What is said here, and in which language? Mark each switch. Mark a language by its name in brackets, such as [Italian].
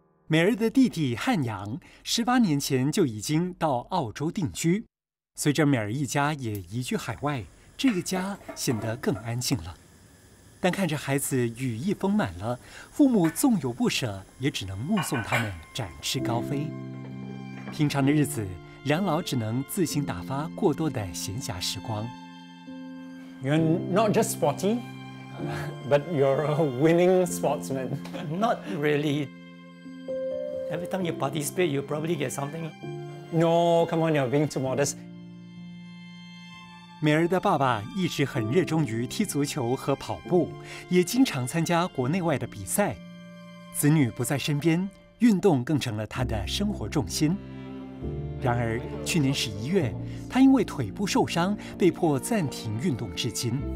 [Chinese] 美儿的弟弟汉阳18年前就已经到澳洲定居，随着美儿一家也移居海外，这个家显得更安静了。但看着孩子羽翼丰满了，父母纵有不舍，也只能目送他们展翅高飞。平常的日子，两老只能自行打发过多的闲暇时光。 [English] You're not just sporty, but you're a winning sportsman. Not reallyEvery time you participate, you probably get something. No, come on, you're being too modest. [Chinese] 美儿的爸爸一直很热衷于踢足球和跑步，也经常参加国内外的比赛。子女不在身边，运动更成了他的生活重心。然而，去年11月，他因为腿部受伤，被迫暂停运动至今。